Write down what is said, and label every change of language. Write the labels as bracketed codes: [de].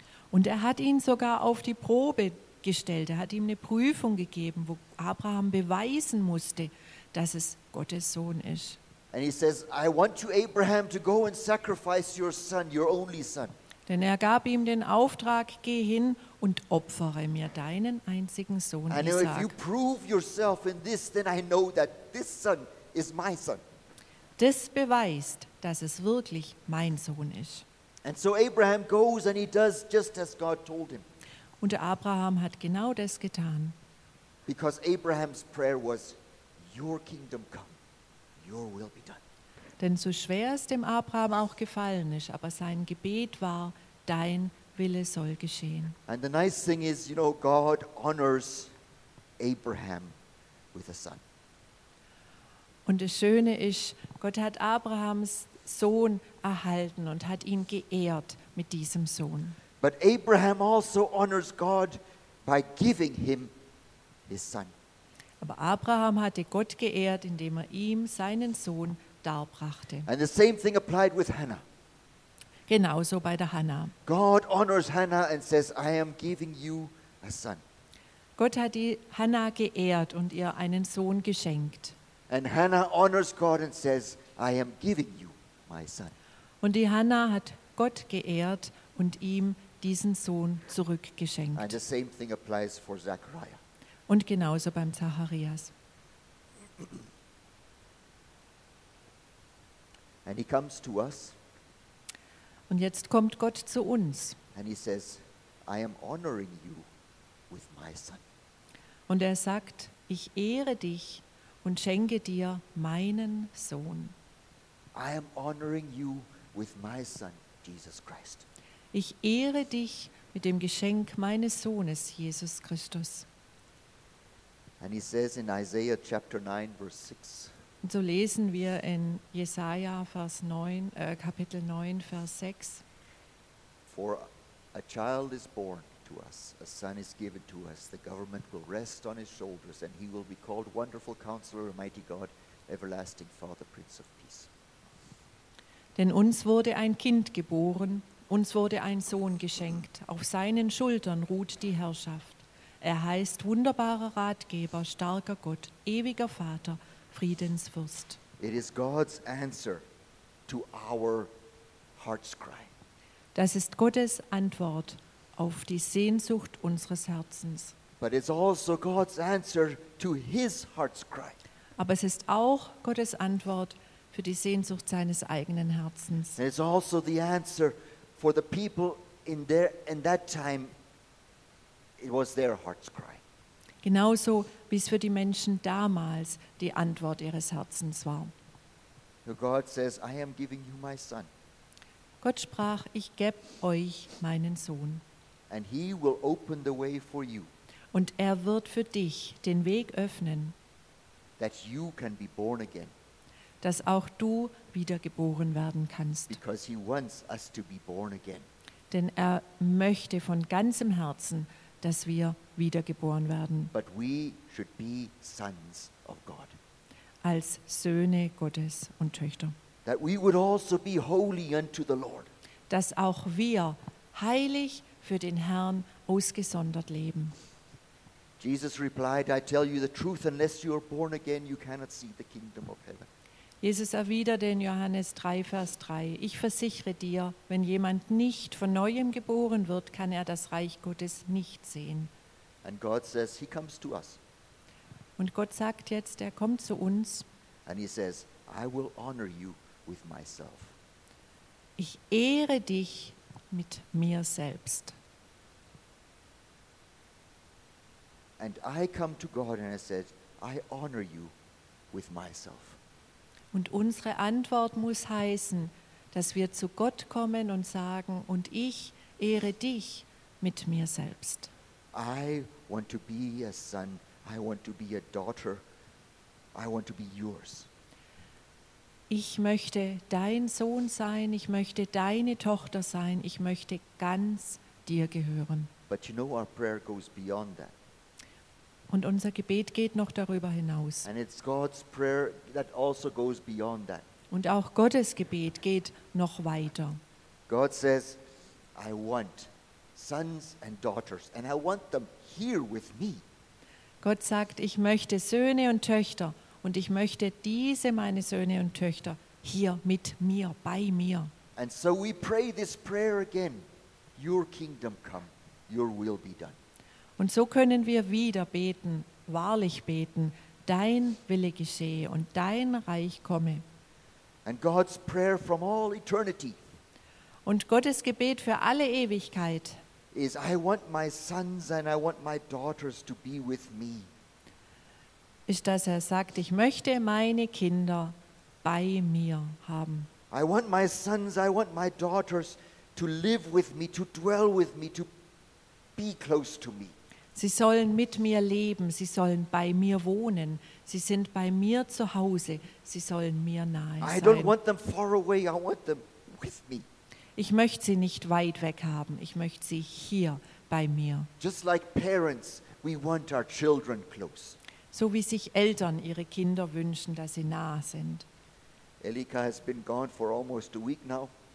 [de] Und er hat ihn sogar auf die Probe gestellt. Er hat ihm eine Prüfung gegeben, wo Abraham beweisen musste, dass es Gottes Sohn ist. [en] And he says, I want you, Abraham, to go and sacrifice your son, your only son. [de] Denn er gab ihm den Auftrag, geh hin und opfere mir deinen einzigen Sohn, Isaac. [en] And if you prove yourself in this, then I know that this son is my son. [de] Das beweist, dass es wirklich mein Sohn ist. [en] And so Abraham goes and he does just as God told him. [de] Und Abraham hat genau das getan. [en] Because Abraham's prayer was, your kingdom come, your will be done. [de] Denn so schwer es dem Abraham auch gefallen ist, aber sein Gebet war, dein Wille soll geschehen. [en] And the nice thing is, you know, God honors Abraham with a son. [de] Und das Schöne ist, Gott hat Abrahams Sohn erhalten und hat ihn geehrt mit diesem Sohn. [en] But Abraham also honors God by giving him his son. [de] Aber Abraham hatte Gott geehrt, indem er ihm seinen Sohn darbrachte. [en] And the same thing applied with Hannah. [de] Genauso bei der Hannah. [en] God honors Hannah and says, I am giving you a son. [de] Gott hat die Hannah geehrt und ihr einen Sohn geschenkt. [en] And Hannah honors God and says, I am giving you my son. [de] Und die Hannah hat Gott geehrt und ihm diesen Sohn zurückgeschenkt. [en] And the same thing applies for Zachariah. [de] Und genauso beim Zacharias. [en] And he comes to us. [de] Und jetzt kommt Gott zu uns. [en] And he says, I am honoring you with my son. [de] Und er sagt, ich ehre dich und schenke dir meinen Sohn. [en] I am honoring you with my son, Jesus Christ. [de] Ich ehre dich mit dem Geschenk meines Sohnes, Jesus Christus. [en] And he says in Isaiah chapter 9, verse 6, [de] und so lesen wir in Jesaja Vers 9, Kapitel 9, Vers 6. [en] For a child is born to us, a son is given to us, the government will rest on his shoulders, and he will be called Wonderful Counselor, Mighty God, Everlasting Father, Prince of Peace. [de] Denn uns wurde ein Kind geboren, uns wurde ein Sohn geschenkt, auf seinen Schultern ruht die Herrschaft. Er heißt wunderbarer Ratgeber, starker Gott, ewiger Vater, Friedensfürst. [en] It is God's answer to our heart's cry. [de] Das ist Gottes Antwort auf die Sehnsucht unseres Herzens. [en] But it's also God's answer to his heart's cry. [de] Aber es ist auch Gottes Antwort für die Sehnsucht seines eigenen Herzens. [en] And it's also the answer for the people in that time. It was their heart's cry. [de] Genauso wie es für die Menschen damals die Antwort ihres Herzens war. [en] God says, I am giving you my son. [de] Gott sprach, ich gebe euch meinen Sohn. [en] And he will open the way for you. [de] Und er wird für dich den Weg öffnen, [en] that you can be born again. [de] Dass auch du wiedergeboren werden kannst. [en] Because he wants us to be born again. [de] Denn er möchte von ganzem Herzen, dass wir wiedergeboren werden. [en] But we should be sons of God. [de] Als Söhne Gottes und Töchter. [en] That we would also be holy unto the Lord. [de] Dass auch wir heilig für den Herrn ausgesondert leben. [en] Jesus replied, I tell you the truth, unless you are born again, you cannot see the kingdom of heaven. [de] Jesus erwiderte in Johannes 3, Vers 3, ich versichere dir, wenn jemand nicht von Neuem geboren wird, kann er das Reich Gottes nicht sehen. [en] And God says, he comes to us. [de] Und Gott sagt jetzt, er kommt zu uns. [en] And he says, I will honor you with myself. [de] Ich ehre dich mit mir selbst. [en] And I come to God and I said, I honor you with myself. [de] Und unsere Antwort muss heißen, dass wir zu Gott kommen und sagen, und ich ehre dich mit mir selbst. [en] I want to be a son. I want to be a daughter. I want to be yours. [de] Ich möchte dein Sohn sein. Ich möchte deine Tochter sein. Ich möchte ganz dir gehören. [en] But you know, our prayer goes beyond that. [de] Und unser Gebet geht noch darüber hinaus. [en] And it's God's prayer that also goes beyond that. [de] Und auch Gottes Gebet geht noch weiter. [en] God says, I want sons and daughters, and I want them here with me. [de] Gott sagt, ich möchte Söhne und Töchter, und ich möchte diese meine Söhne und Töchter hier mit mir, bei mir. [en] And so we pray this prayer again. Your kingdom come, your will be done. [de] Und so können wir wieder beten, wahrlich beten, dein Wille geschehe und dein Reich komme. [en] And God's prayer from all eternity. [de] Und Gottes Gebet für alle Ewigkeit. [en] Is I want my sons and I want my daughters to be with me. [de] Ist, dass er sagt, ich möchte meine Kinder bei mir haben. [en] I want my sons, I want my daughters to live with me, to dwell with me, to be close to me. [de] Sie sollen mit mir leben, sie sollen bei mir wohnen, sie sind bei mir zu Hause, sie sollen mir nahe sein. [en] I don't want them far away, I want them with me. [de] Ich möchte sie nicht weit weg haben, ich möchte sie hier bei mir. [en] Just like parents, we want our children close. [de] So wie sich Eltern ihre Kinder wünschen, dass sie nahe sind. [en] Elika has been gone for almost a week now.